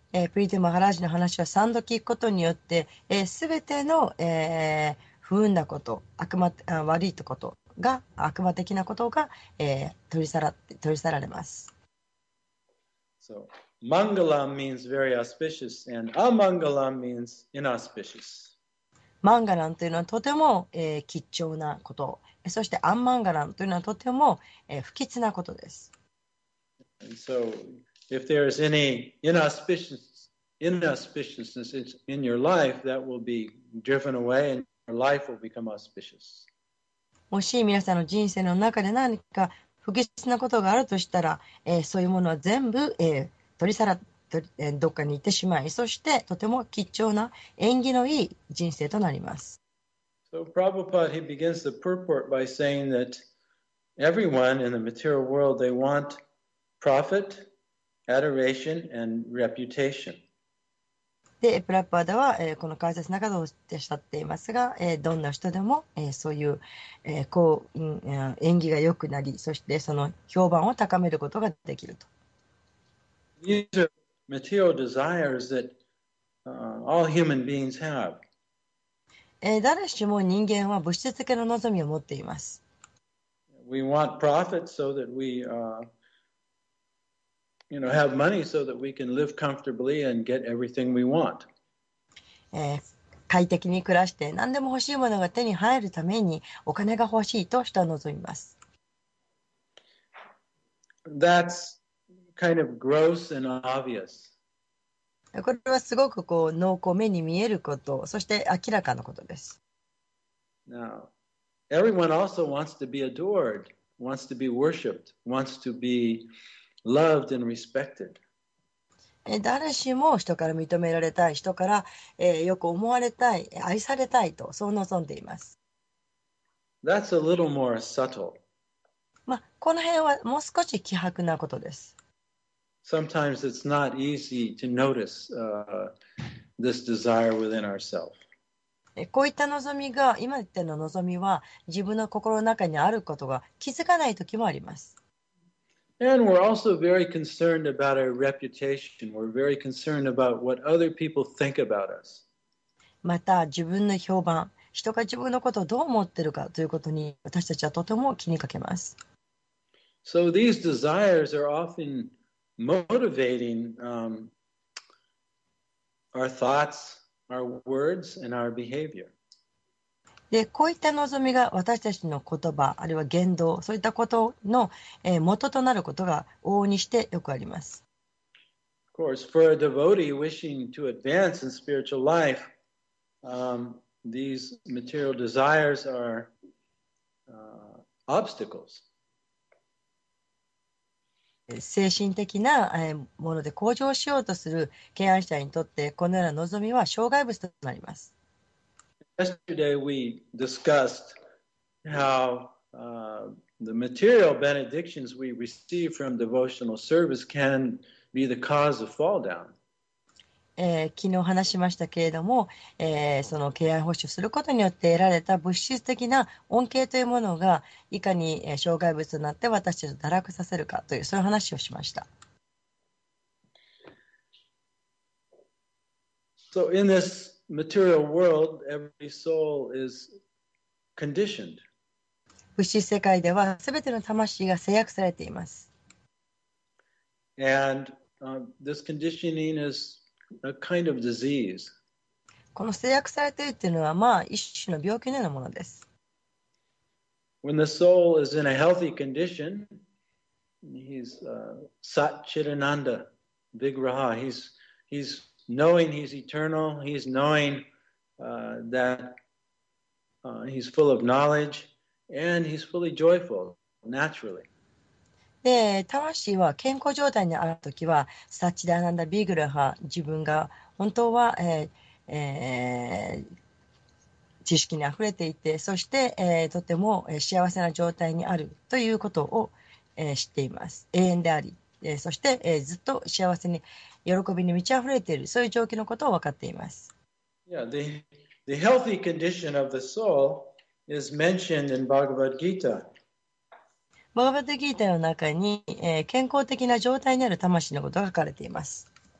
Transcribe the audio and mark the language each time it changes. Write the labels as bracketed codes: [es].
[ja] プリティ・マハラージの話は3度聞くことによって、すべての、不運なこと、悪いことが、悪魔的なことが、取り去られます。 [en] So, Mangalam means very auspicious, and Amangalam means inauspicious. [ja] マンガランというのはとても、貴重なこと、そしてアンマンガランというのはとても、不吉なことです。 [en] And so, if there is any inauspiciousness in your life, that will be driven away and life will become auspicious. [ja] もし皆さんの人生の中で何か不吉なことがあるとしたら、そういうものは全部、取り去ら、どっかに行ってしまい、そしてとても貴重な縁起のいい人生となります。 [en] So Prabhupada, he begins the purport by saying that everyone in the material world, they want profit, adoration, and reputation. [ja] でプラッパーダは、この解説の中でおっしゃっていますが、どんな人でも、そういう、こう、演技が良くなり、そしてその評判を高めることができると。 [en] These are material desires that, all human beings have. [ja] 誰しも人間は物質的な望みを持っています。 [en] We want profit so that we, you know, have money so that we can live comfortably and get everything we want. [ja] 快適に暮らして何でも欲しいものが手に入るためにお金が欲しいと人は望みます。 [en] That's kind of gross and obvious. [ja] これはすごくこう濃厚目に見えること、そして明らかなことです。 [en] Now, everyone also wants to be adored, wants to be worshipped, wants to beloved and respected. [ja] 誰しも人から認められたい、人から、よく思われたい、愛されたいとそう望んでいます。 [en] That's a little more subtle. [ja] まあこの辺はもう少し希薄なことです。 [en] Sometimes it's not easy to notice, this desire within ourselves. [ja] こういった望みが今言っての望みは自分の心の中にあることが気づかない時もあります。 [en] And we're also very concerned about our reputation. We're very concerned about what other people think about us. [ja] また自分の評判、人が自分のことをどう思ってるかということに私たちはとても気にかけます。 [en] So these desires are often motivating, our thoughts, our words, and our behavior. [ja] でこういった望みが私たちの言葉あるいは言動そういったことの、元となることが往々にしてよくあります。 [en] Of course, for a devotee wishing to advance in spiritual life, these material desires are, obstacles. [ja] 精神的なもので向上しようとする敬愛者にとってこのような望みは障害物となります。 [en] Yesterday we discussed how, the material benedictions we receive from devotional service can be the cause of fall down. [ja] 昨日話しましたけれども、その敬愛奉仕することによって得られた物質的な恩恵というものがいかに障害物となって私たちを堕落させるかというそういう話をしました。 [en] So in thismaterial world, every soul is conditioned. [ja] 物質世界では全ての魂が制約されています。 [en] And, this conditioning is a kind of disease. [ja] この制約されているというのは、まあ、一種の病気のようなものです。 [en] When the soul is in a healthy condition, he's, Satchitananda, Vigraha, he's,knowing he's eternal, he's knowing, that, he's full of knowledge, and he's fully joyful, naturally. [ja] で、魂は健康状態にあるときは、サチダナンダ・ビグラハ、自分が本当は、知識にあふれていて、そして、とても幸せな状態にあるということを、知っています。永遠であり。そして、ずっと幸せに喜びに満ち溢れているそういう状況のことを分かっています。 [en] Yeah, the healthy condition of the soul is mentioned in Bhagavad Gita. [ja] バガヴァッドギータの中に、健康的な状態にある魂のことが書かれています。